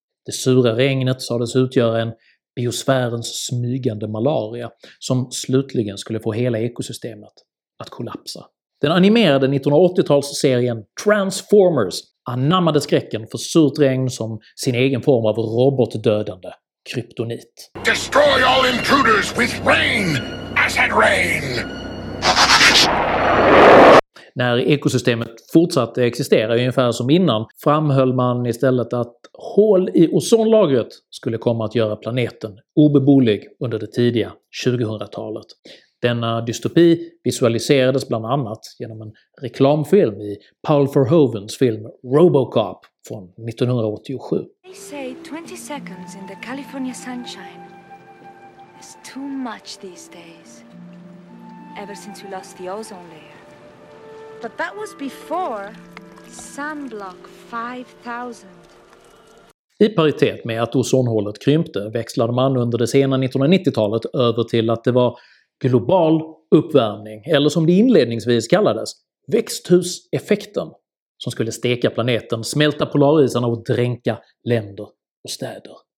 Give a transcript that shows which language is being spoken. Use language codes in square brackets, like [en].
[sv] Det sura regnet sades utgöra en biosfärens smygande malaria som slutligen skulle få hela ekosystemet att kollapsa. Den animerade 1980-talsserien Transformers anammade skräcken för surt regn som sin egen form av robotdödande kryptonit. [en] Destroy all intruders with rain, acid rain. [sv] När ekosystemet fortsatte existera ungefär som innan framhöll man istället att hål i ozonlagret skulle komma att göra planeten obeboelig under det tidiga 2000-talet. Denna dystopi visualiserades bland annat genom en reklamfilm i Paul Verhoevens film RoboCop från 1987. [en] They say 20 seconds in the California sunshine is too much these days. Ever since we lost the ozone layer. But that was before sunblock 5000. [sv] I paritet med att ozonhålet krympte växlade man under det sena 1990-talet över till att det var global uppvärmning, eller som det inledningsvis kallades, växthuseffekten, som skulle steka planeten, smälta polarisarna och dränka länder och städer.